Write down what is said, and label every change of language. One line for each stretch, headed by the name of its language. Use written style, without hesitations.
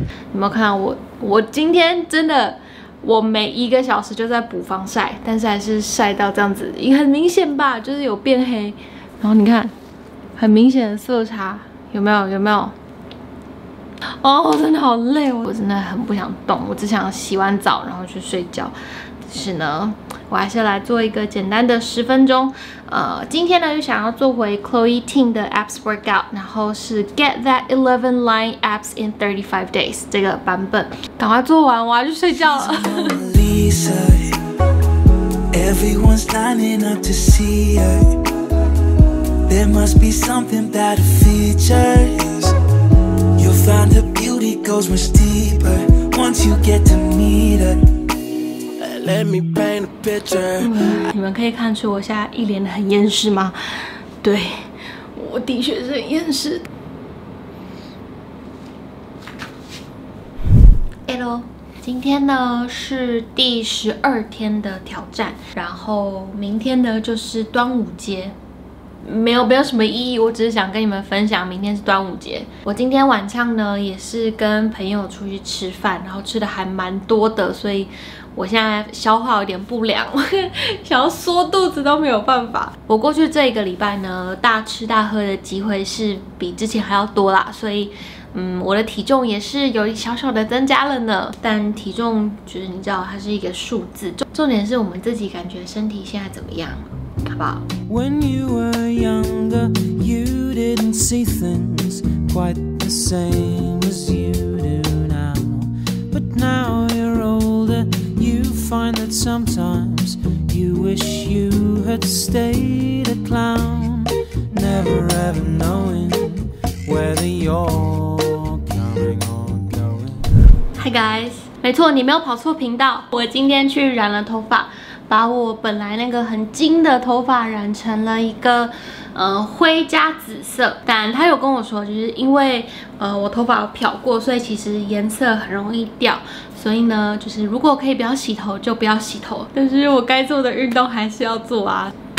Chinese: 你有没有看到我？我今天真的我每一个小时就在补防晒，但是还是晒到这样子，很明显吧，就是有变黑。然后你看，很明显的色差，有没有？有没有？哦，真的好累，我真的很不想动，我只想洗完澡然后去睡觉。但是呢，我还是来做一个简单的十分钟。今天呢又想要做回 Chloe Ting 的 Abs Workout， 然后是 Get That 11 Line Abs in 35 Days 这个版本。赶快做完，我要去睡觉了。
English: Find her beauty goes much deeper once you get to meet her. Let me paint a picture.
Chinese: 你们可以看出我现在一脸很厌世吗？对，我的确是很厌世。 Hello， 今天呢是第12天的挑战，然后明天呢就是端午节。没有，没有什么意义，我只是想跟你们分享明天是端午节。我今天晚上呢也是跟朋友出去吃饭，然后吃的还蛮多的，所以我现在消化有点不良，想要缩肚子都没有办法。我过去这一个礼拜呢大吃大喝的机会是比之前还要多啦，所以我的体重也是有小小的增加了呢。但体重就是你知道它是一个数字，重点是我们自己感觉身体现在怎么样，好不好？
English: When you were younger, you didn't see things quite the same as you do now. But now you're older, you find that sometimes you wish you had stayed a clown, never ever knowing whether you're coming or going. Hi guys,
Chinese: 没错，你没有跑错频道。我今天去染了头发。把我本来那个很金的头发染成了一个灰加紫色，但他有跟我说，就是因为我头发有漂过，所以其实颜色很容易掉，所以呢就是如果可以不要洗头就不要洗头，但是我该做的运动还是要做啊。